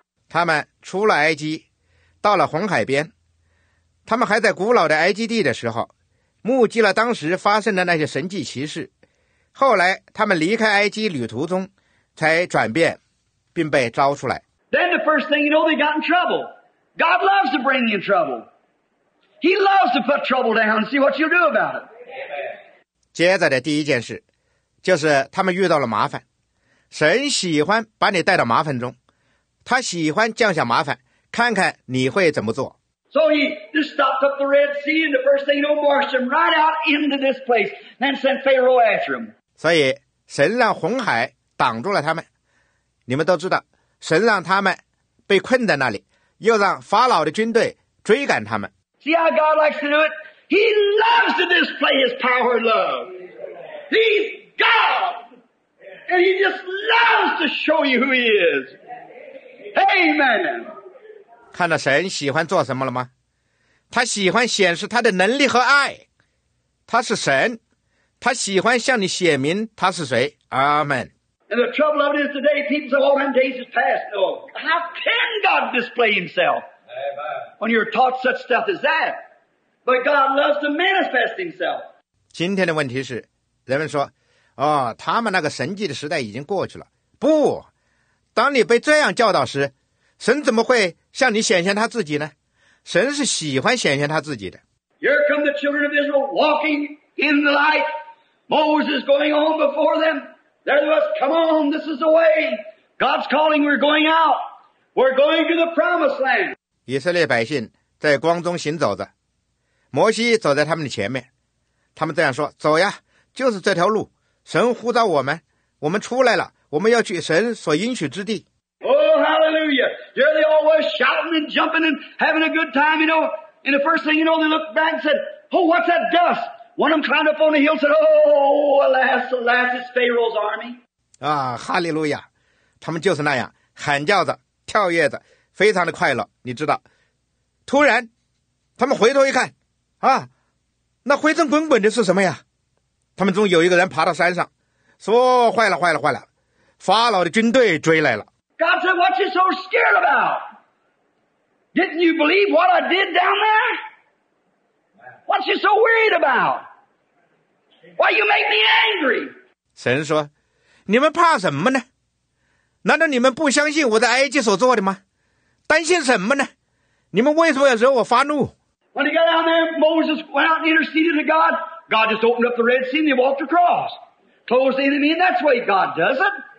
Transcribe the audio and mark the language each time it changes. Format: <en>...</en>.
<zh>他们出了埃及，到了红海边。他们还在古老的埃及地的时候，目击了当时发生的那些神迹奇事，后来他们离开埃及旅途中才转变并被招出来。</zh> <en>Then the first thing you know, they got in trouble. God loves to bring you in trouble. He loves to put trouble down and see what you'll do about it.</en> <zh>接着的第一件事就是他们遇到了麻烦，神喜欢把你带到麻烦中，他喜欢降下麻烦，看看你会怎么做。</zh> <en>So he just stopped up the Red Sea, and the first thing you know, marched him right out into this place, and sent Pharaoh after him.</en> <zh>所以神让红海挡住了他们。你们都知道，神让他们被困在那里，又让法老的军队追赶他们。</zh> <en>See how God likes to do it? He loves to display His power and love. He's God, and He just loves to show you who He is. Amen.</en> <zh>看到神喜欢做什么了吗？他喜欢显示他的能力和爱，他是神，他喜欢向你显明他是谁。阿们。</zh> <en>And the trouble of it is today, people say, "Oh, them days is past." No, how can God display Himself? Amen. When you're taught such stuff as that, but God loves to manifest Himself.</en> <zh>今天的问题是，人们说，哦，他们那个神迹的时代已经过去了。不，当你被这样教导时，神怎么会向你显现他自己呢？神是喜欢显现他自己的。</zh> <en>Here come the children of Israel walking in the light. Moses going on before them. There they was, come on, this is the way. God's calling, we're going out. We're going to the promised land.</en> <zh>以色列百姓在光中行走着，摩西走在他们的前面。他们这样说，走呀，就是这条路。神呼召我们，我们出来了，我们要去神所应许之地。</zh> <en>There they all were shouting and jumping and having a good time, you know. And the first thing you know, they looked back and said, "Oh, what's that dust? One of them climbed up on the hill and said, Oh, alas, alas, it's Pharaoh's army.</en> <zh>啊，哈利路亚，他们就是那样，喊叫着，跳跃着，非常的快乐，你知道。突然，他们回头一看，啊，那灰尘滚滚的是什么呀？他们中有一个人爬到山上，说，坏了，坏了，坏了，法老的军队追来了。</zh> <en>God said, what you so scared about? Didn't you believe what I did down there? What you so worried about? Why you make me angry?</en> <zh>神说，你们怕什么呢？难道你们不相信我在埃及所做的吗？担心什么呢？你们为什么要惹我发怒？</zh> <en>When he got down there, Moses went out and interceded to God. God just opened up the Red Sea and he walked across. Closed the enemy, and that's the way God does it.</en>